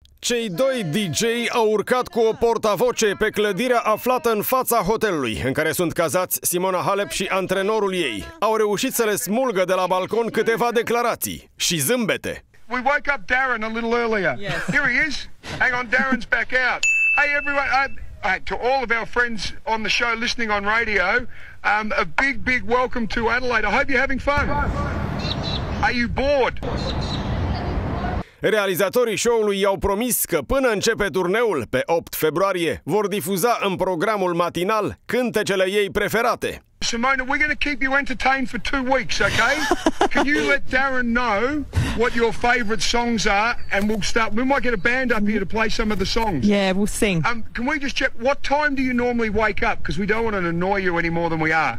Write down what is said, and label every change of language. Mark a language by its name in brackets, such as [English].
[Romanian] Cei doi DJ au urcat cu o portavoce pe clădirea aflată în fața hotelului, în care sunt cazați Simona Halep și antrenorul ei. Au reușit să le smulgă de la balcon câteva declarații și zâmbete. [English] We woke up Darren a little earlier. Yes. Here he is. Hang on, Darren's back out. Hey everyone, to all of our friends on the show listening on radio, a big, big welcome to Adelaide. I hope you're having fun. Are you bored? [Romanian] Realizatorii show-ului i-au promis că până începe turneul, pe 8 februarie, vor difuza în programul matinal cântecele ei preferate. [English] Simona, we're going to keep you entertained for 2 weeks, okay? Can you let Darren know what your favorite songs are and we'll start? We might get a band up here to play some of the songs. Yeah, we'll sing. Can we just check, what time do you normally wake up? Because we don't want to annoy you any more than we are.